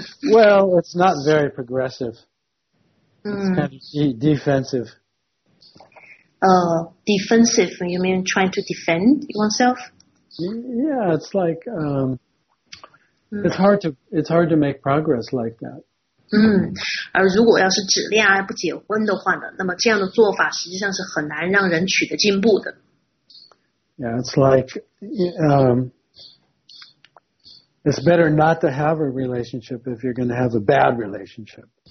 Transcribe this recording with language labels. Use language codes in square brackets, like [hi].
[en] Well, it's not very progressive. It's kind of defensive. Defensive, you mean trying to defend oneself? Yeah, it's like, it's hard to make progress like that. [zh] 而如果要是只恋爱不结婚的话呢，那么这样的做法实际上是很难让人取得进步的。 [en] Yeah, it's like, it's better not to have a relationship if you're going to have a bad relationship.